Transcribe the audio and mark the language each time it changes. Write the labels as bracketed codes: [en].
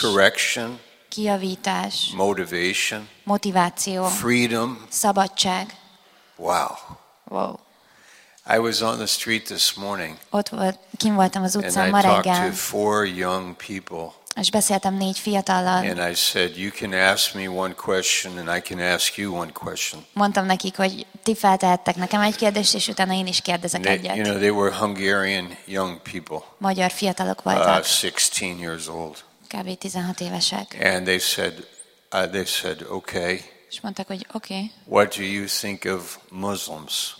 [en] Correction. [hu] Kijavítás. [en] Motivation. [hu] Motiváció. [en] Freedom. [hu] Szabadság. Wow. Wow. [en] I was on the street this morning. [hu] Ott volt, kint voltam az utcán ma reggel. [en] And I talked to four young people. [hu] És beszéltem négy fiatallal. [en] And I said, you can ask me one question and I can ask you one question. [hu] Mondtam nekik, hogy ti feltehettek nekem egy kérdést, és utána én is kérdezek egyet. [en] You know, they were Hungarian young people. [hu] Magyar fiatalok voltak. [en] 16 years old. [hu] Kb. 16 évesek. [en] And they said, okay. [hu] És mondták, hogy oké. Okay. [en] What do you think of Muslims?